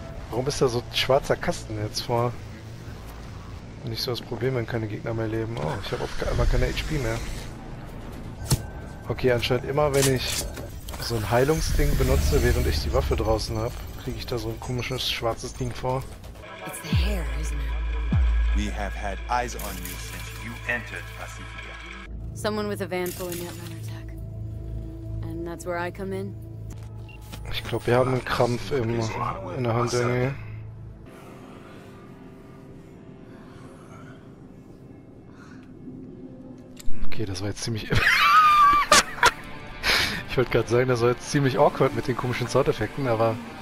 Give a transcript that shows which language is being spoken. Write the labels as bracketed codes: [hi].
[de] Warum ist da so ein schwarzer Kasten jetzt vor? Nicht so das Problem, wenn keine Gegner mehr leben. Oh, ich habe auf einmal keine HP mehr. Okay, anscheinend immer, wenn ich so ein Heilungsding benutze, während ich die Waffe draußen habe, kriege ich da so ein komisches schwarzes Ding vor. [en] It's the hair, isn't it? We have had eyes on you since you entered Pacifica. Someone with a van full of netrunner tech. And that's where I come in. [de] Ich glaube, wir haben einen Krampf im, in der Hand. Okay, das war jetzt ziemlich... Ich wollte gerade sagen, das war jetzt ziemlich awkward mit den komischen Soundeffekten, aber...